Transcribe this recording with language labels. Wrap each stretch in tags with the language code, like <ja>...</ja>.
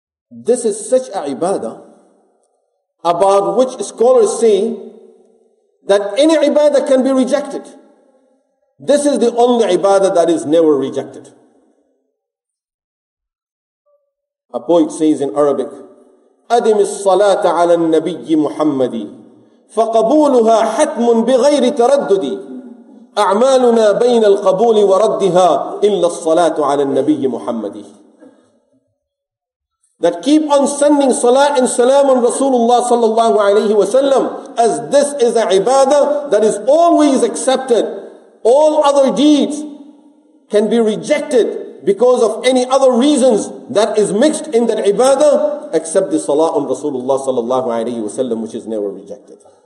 <en>This is such a ibadah about which scholars say that any ibadah can be rejected. This is the only ibadah that is never rejected. A poet says in Arabic,</en> <ar>أَدِمِ الصَّلَاةَ عَلَى النَّبِيِّ مُحَمَّدِي فَقَبُولُهَا حَتْمٌ بِغَيْرِ تَرَدُّدِي أَعْمَالُنَا بَيْنَ الْقَبُولِ وَرَدِّهَا إِلَّا الصَّلَاةُ عَلَى النَّبِيِّ مُحَمَّدِي.</ar> <en>That keep on sending salah and salam on Rasulullah sallallahu alayhi wa sallam, as this is a ibadah that is always accepted. All other deeds can be rejected because of any other reasons that is mixed in that ibadah, except the salah on Rasulullah sallallahu alayhi wa sallam, which is never rejected.</en>